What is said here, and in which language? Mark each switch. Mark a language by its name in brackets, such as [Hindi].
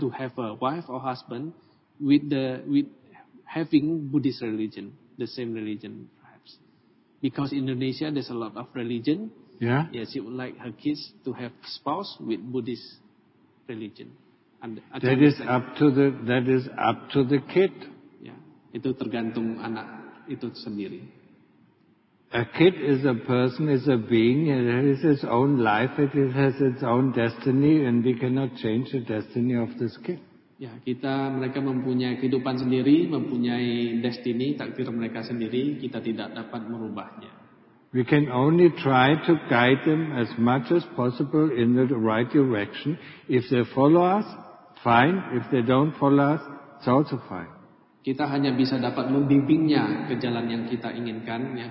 [English] To have a wife or husband with having Buddhist religion, the same religion perhaps. Because Indonesia there's a lot of religion. Yeah. Yeah, she would like her kids to have spouse with Buddhist religion. That is up to the kid. Yeah. [Indonesian] Itu tergantung anak itu sendiri. [English] A kid is a person, is a being, it has its own life, it has its own destiny, and we cannot change the destiny of this kid. [Indonesian] Ya, kita, mereka mempunyai kehidupan sendiri, mempunyai destiny, takdir mereka sendiri, kita tidak dapat merubahnya. [English] We can only try to guide them as much as possible in the right direction. If they follow us, fine. If they don't follow us, it's also fine. [Indonesian] Kita hanya bisa dapat membimbingnya ke jalan yang kita inginkan, ya.